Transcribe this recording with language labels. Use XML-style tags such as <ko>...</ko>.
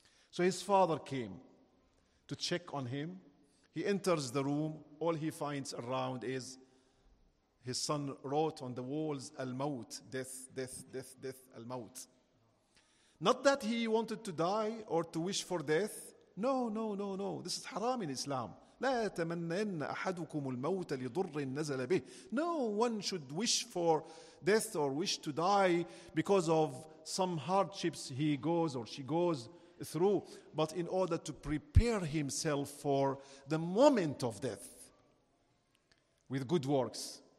<en>So his father came to check on him. He enters the room. All he finds around is his son wrote on the walls, al-maut, death, death, death, death, al-maut. Not that he wanted to die or to wish for death. No, no, no, no. This is haram in Islam.</en> <ar>لا تمنن أحدكم الموت لضر نزل به.</ar> <en>No one should wish for death or wish to die because of some hardships he goes or she goes through, but in order to prepare himself for the moment of death with good works.</en>